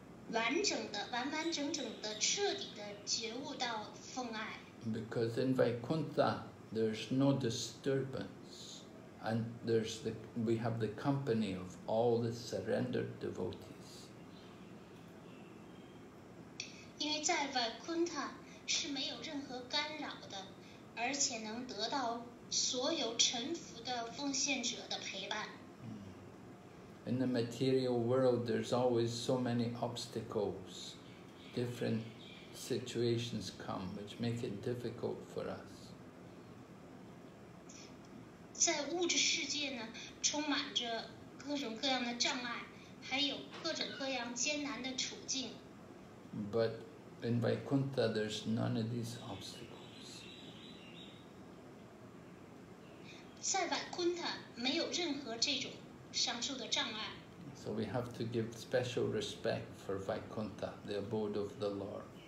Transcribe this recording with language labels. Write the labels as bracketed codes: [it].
[zh] 完整的、完完整整的、彻底的觉悟到奉爱。 [en] Because in Vaikuntha, there's no disturbance, and there's the we have the company of all the surrendered devotees. [zh] 因为在 Vaikuntha 是没有任何干扰的，而且能得到所有臣服的奉献者的陪伴。 [en] In the material world, there's always so many obstacles. Different situations come, which make it difficult for us. [zh] 在物质世界呢，充满着各种各样的障碍，还有各种各样艰难的处境。 [en] But in Vaikuntha, there's none of these obstacles. [zh] 在 Vaikuntha, 没有任何这种上述的障碍。 [en] So we have to give special respect for Vaikuntha, the abode of the Lord.